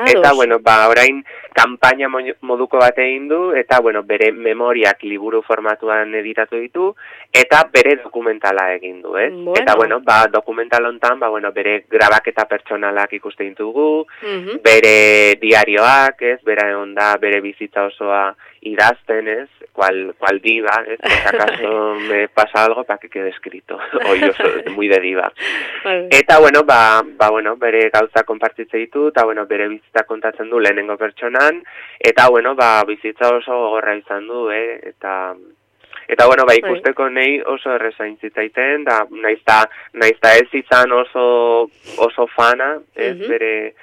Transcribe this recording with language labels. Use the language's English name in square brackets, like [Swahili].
[Basque] Eta, [Spanish] bueno, [Basque] ba, orain, kanpaina moduko bat egin du, eta, bueno, bere memoriak liburu formatuan editatu ditu, eta bere dokumentala egin du, ez? [Spanish] Bueno. [Basque] Eta, [Spanish] bueno, [Basque] ba, dokumental hontan, ba, bueno, bere grabaketa pertsonalak ikuste ditugu, bere diarioak, ez? Bera egon da, bere bizitza osoa idazten, ez? [Spanish] Cual diva, ez? Si acaso me pasa algo para que quede escrito, o yo soy muy de diva. [Basque] Eta, [Spanish] bueno, [Basque] ba, bueno, bere gauza konpartitze ditu, eta, bueno, bere bizitza kontatzen du lehenengo pertsonan, eta, bueno, ba, bizitza oso gogorra izan du, eta, bueno, ba, ikusteko nei oso errezain zitzaiten, da, nahizta ez izan oso fana, ez bere...